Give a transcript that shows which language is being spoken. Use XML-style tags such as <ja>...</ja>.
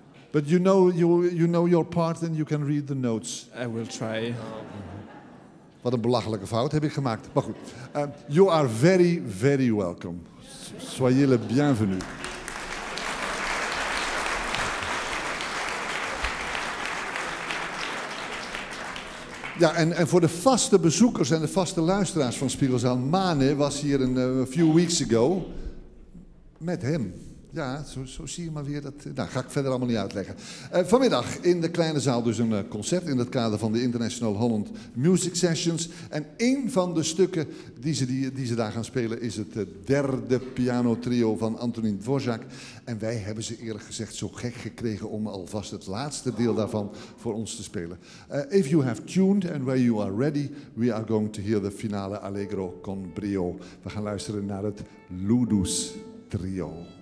<en>But you know you know your part and you can read the notes. I will try.</en> <nl>Wat een belachelijke fout heb ik gemaakt. Maar goed.</nl> <en>You are very, very welcome.</en> <fr>Soyez le bienvenu.</fr> <nl>Ja, en voor de vaste bezoekers en de vaste luisteraars van Spiegelzaal, Mane was hier een</nl> <en>few weeks ago</en> <nl>met hem. Ja, zo zie je maar weer dat. Nou, ga ik verder allemaal niet uitleggen. Vanmiddag in de kleine zaal dus een concert in het kader van de International Holland Music Sessions. En een van de stukken die ze daar gaan spelen is het derde pianotrio van Antonín Dvořák. En wij hebben ze eerlijk gezegd zo gek gekregen om alvast het laatste deel daarvan voor ons te spelen.</nl> <en>If you have tuned and where you are ready, we are going to hear the finale Allegro con Brio.</en> <nl>We gaan luisteren naar het Ludus Trio.</nl>